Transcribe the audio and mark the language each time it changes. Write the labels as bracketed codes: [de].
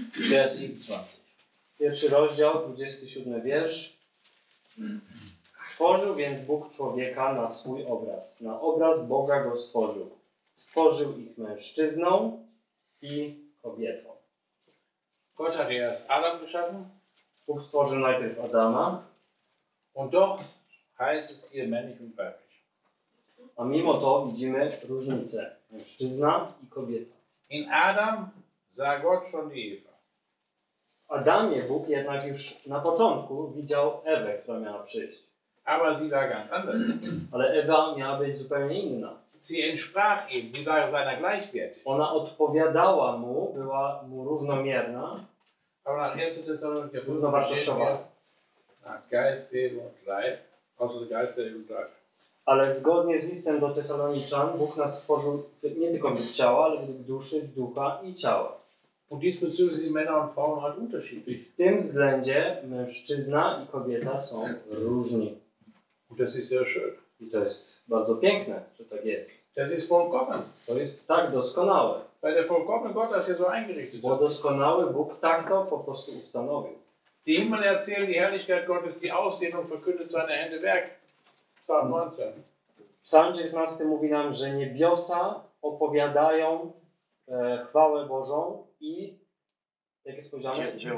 [de] Vers 27. [pl] Pierwszy rozdział, 27 wiersz. Stworzył więc Bóg człowieka na swój obraz. Na obraz Boga go stworzył. Stworzył ich mężczyzną i kobietą. [de] Gott hat erst Adam geschaffen. [pl] Bóg stworzył najpierw Adama. [de] Und doch heißt es hier männlich und weiblich. [pl] A mimo to widzimy różnicę. Mężczyzna i kobieta. [de] In Adam sah Gott schon die Eva. [pl] Adamie Bóg jednak już na początku widział Ewę, która miała przyjść. [de] Aber sie war ganz anders. [pl] Ale Ewa miała być zupełnie inna. [de] Sie entsprach ihm, sie war seiner gleichwertig. [pl] Ona odpowiadała mu, była mu równomierna. [de] Aber nach 1. Thessalonicher 5, nach Geist, Seele und Leib, außer der Geist, Seele und Leib. [pl] Ale zgodnie z listem do Tesaloniczan, Bóg nas stworzył nie tylko w ciała, ale w duszy, ducha i ciała. [de] Und diesbezüglich sind Männer und Frauen halt unterschiedlich. [pl] W tym względzie mężczyzna i kobieta są różni. [de] Und das ist sehr schön. [pl] I to jest bardzo piękne, że tak jest. [de] Das ist vollkommen. [pl] To jest tak doskonałe. [de] Weil der vollkommene Gott das hier so eingerichtet [pl] hat. Bo doskonały Bóg tak to po prostu ustanowił. [de] Die Himmel erzählen die Herrlichkeit Gottes, die Ausdehnung verkündet seine Hände Werk. [pl] Psalm 19. Psalm 19 mówi nam, że niebiosa opowiadają chwałę Bożą i jak jest powiedziane?